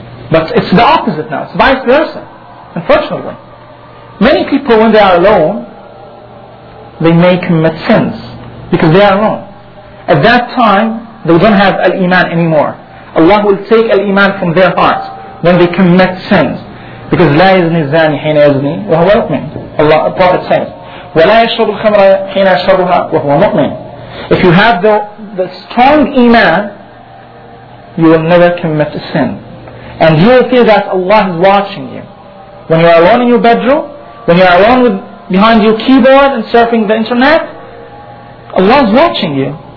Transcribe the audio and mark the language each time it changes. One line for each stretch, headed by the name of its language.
English: But it's the opposite now. It's vice versa, unfortunately. Many people, when they are alone, they may commit sins because they are alone. At that time, they don't have al-Iman anymore. Allah will take al-Iman from their hearts when they commit sins. Because
Arabic: لا يزني الزاني حين يزني وهو مؤمن.
English: Allah, the Prophet says,
Arabic: ولا يشرب الخمر حين يشربها وهو مؤمن.
English: If you have the strong Iman, you will never commit a sin. And you will feel that Allah is watching you. When you are alone in your bedroom, when you are alone behind your keyboard and surfing the internet, Allah is watching you.